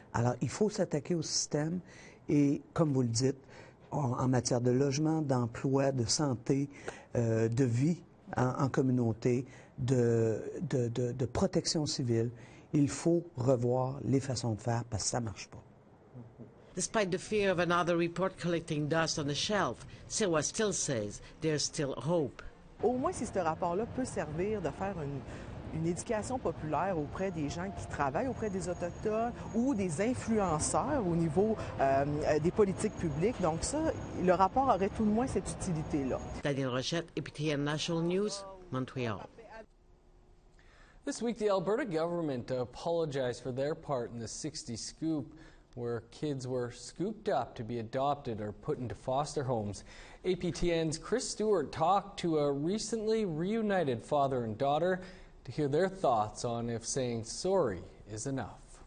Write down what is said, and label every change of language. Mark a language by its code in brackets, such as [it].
[fr] Alors, il faut s'attaquer au système et, comme vous le dites, en matière de logement, d'emploi, de santé, de vie en communauté, de protection civile, il faut revoir les façons de faire parce que ça marche pas. [en] Despite the fear of another report collecting dust on the shelf, Sewa still says there's still hope. [fr] Au moins, si ce rapport-là peut servir de faire une éducation populaire auprès des gens qui travaillent auprès des Autochtones ou des influenceurs au niveau des politiques publiques, donc ça, le rapport aurait tout de moins cette utilité-là. [en] Daniel Rochette, APTN National News, Montreal. This week, the Alberta government apologized for their part in the 60 scoop, where kids were scooped up to be adopted or put into foster homes. APTN's Chris Stewart talked to a recently reunited father and daughter to hear their thoughts on if saying sorry is enough.